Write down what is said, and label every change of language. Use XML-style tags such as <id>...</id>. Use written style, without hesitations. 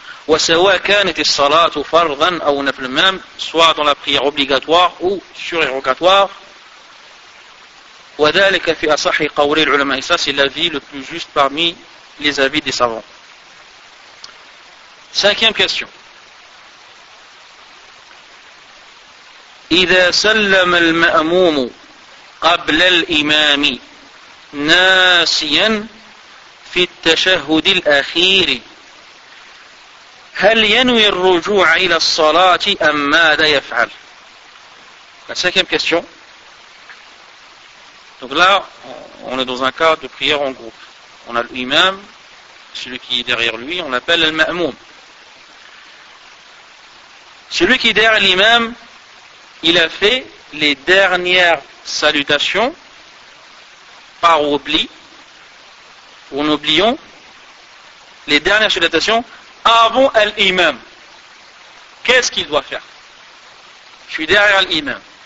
<ar>وسواء كانت الصلاة فرضا أو نفلا</ar> <fr>soit dans la prière obligatoire ou surérogatoire</fr> <ar>وذلك في أصح قول العلماء.</ar> <fr>Ça c'est l'avis le plus juste parmi les avis des savants. Cinquième question.</fr> <ar>إذا سلم المأموم قبل الإمام ناسيا في التشهد الأخير هل ينوي الرجوع إلى الصلاة أم ماذا يفعل؟</ar> <fr>La cinquième question. Donc là, on est dans un cas de prière en groupe. On a l'imam, celui qui est derrière lui, on appelle al-ma'moum. Celui qui est derrière l'imam, il a fait les dernières salutations par oubli, ou en oubliant les dernières salutations avant l'imam. Qu'est-ce qu'il doit faire? Je suis derrière l'imam.</fr>